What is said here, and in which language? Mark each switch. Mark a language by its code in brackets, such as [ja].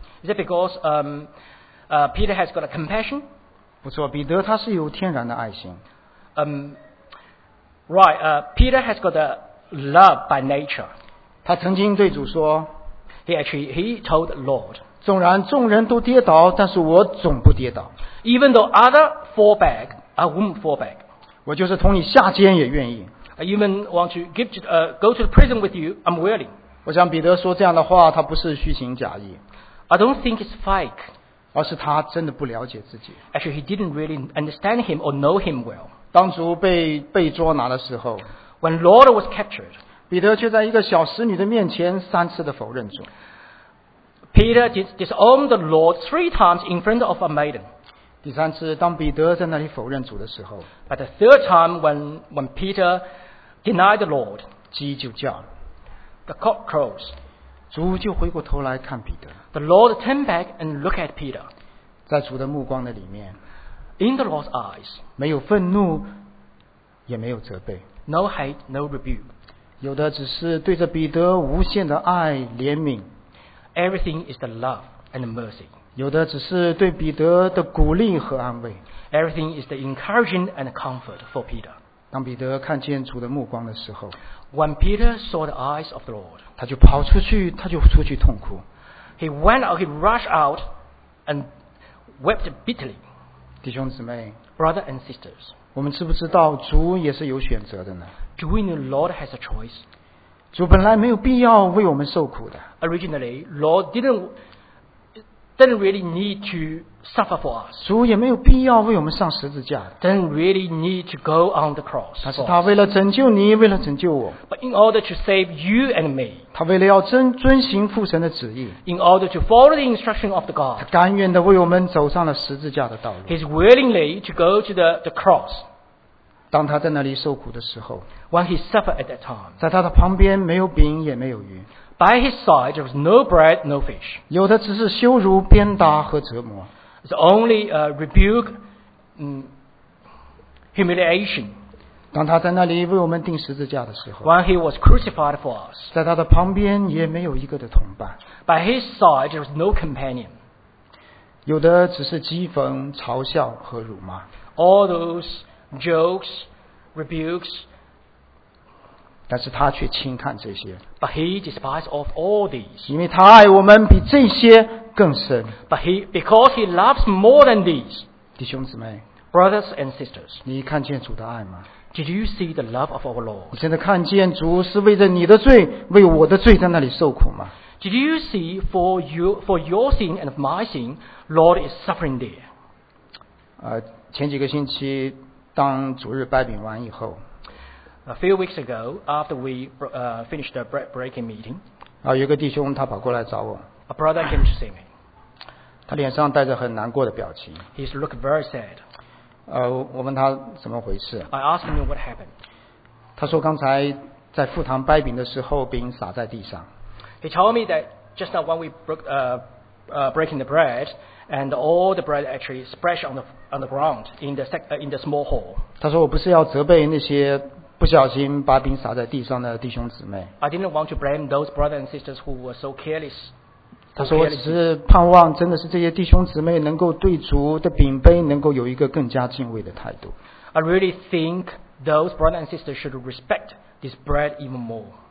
[en] Is it because Peter has got a compassion? [zh] 不错，彼得他是有天然的爱心。 [en] Peter has got a love by nature. [zh] 他曾经对主说， [en] He told the Lord, [zh] 纵然众人都跌倒，但是我总不跌倒。 [en] Even though others fall back, I won't fall back. [zh] 我就是同你下监也愿意。 [en] I even want to go to the prison with you, I'm willing. [zh] 我想彼得说这样的话，他不是虚情假意。 [en] I don't think it's fake. [zh] 而是他真的不了解自己。 [en] Actually, he didn't really understand him or know him well. [zh] 当主被捉拿的时候， [en] When Lord was captured, [zh] 彼得却在一个小使女的面前三次的否认主。 [en] Peter disowned the Lord three times in front of a maiden. [zh] 第三次，当彼得在那里否认主的时候， [en] But the third time when Peter denied the Lord, [zh] 鸡就叫了。 [en] The cock crows. [zh] 主就回过头来看彼得。 [en] The Lord turned back and looked at Peter. [zh] 在主的目光的里面， [en] In the Lord's eyes, [zh] 没有愤怒，也没有责备。 [en] No hate, no rebuke. [zh] 有的只是对着彼得无限的爱怜悯。 [en] Everything is the love and the mercy. [zh] 有的只是对彼得的鼓励和安慰。 [en] Everything is the encouraging and the comfort for Peter. [zh] 当彼得看见主的目光的时候， [en] When Peter saw the eyes of the Lord, [zh] 他就跑出去，他就出去痛哭。 [en] He went out, he rushed out and wept bitterly. [zh] 弟兄姊妹， [en] Brother and sisters, [zh] 我们知不知道主也是有选择的呢？ [en] Do we know Lord has a choice? [zh] 主本来没有必要为我们受苦的。 [en] Originally, Lord didn't really need to suffer for us. [zh] 主也没有必要为我们上十字架。 [en] Didn't really need to go on the cross. [zh] 但是他为了拯救你，为了拯救我。 [en] But in order to save you and me. [zh] 他为了要遵行父神的旨意。 [en] In order to follow the instruction of the God. [zh] 他甘愿的为我们走上了十字架的道路。 [en] He's willingly to go to the cross. [zh] 当他在那里受苦的时候， [en] When he suffered at that time, [zh] 在他的旁边没有饼也没有鱼， [en] By his side there was no bread, no fish. [zh] 有的只是羞辱、鞭打和折磨。 [en] It's only a rebuke, humiliation. [zh] 当他在那里为我们钉十字架的时候， [en] When he was crucified for us, [zh] 在他的旁边也没有一个的同伴。 [en] By his side there was no companion. [zh] 有的只是讥讽、嘲笑和辱骂。 [en] All thosejokes, rebukes, [zh] 但是他却轻看这些。 [en] But he despised of all these. [zh] 因为他爱我们比这些更深。 [en] But he, because he loves more than these. [zh] 弟兄姊妹， [en] brothers and sisters, [zh] 你看见主的爱吗？ [en] Did you see the love of our Lord? [zh] 你真的看见主是为着你的罪，为我的罪在那里受苦吗？ [en] Did you see for your sin and my sin, Lord is suffering there? [zh] 前几个星期。当主日拜饼完以后， [en] A few weeks ago, after we finished the bread breaking meeting, [zh] 有一个弟兄他跑过来找我。 [en] A brother came to see me. [zh] 他脸上带着很难过的表情。 [en] He looked very sad. [zh] 我问他怎么回事。 [en] I asked him what happened. [zh] 他说刚才在父堂拜饼的时候，饼洒在地上。 [en] He told me that just now when we breaking the bread. And all the bread actually splashed on the ground in the small hall. [zh] 他说我不是要责备那些不小心把饼撒在地上的弟兄姊妹。 [en] I didn't want to blame those brothers and sisters who were so careless. [zh] 他说我只是盼望真的是这些弟兄姊妹能够对主的饼杯能够有一个更加敬畏的态度。 [en] I really think those brothers and sisters should respect this bread even more.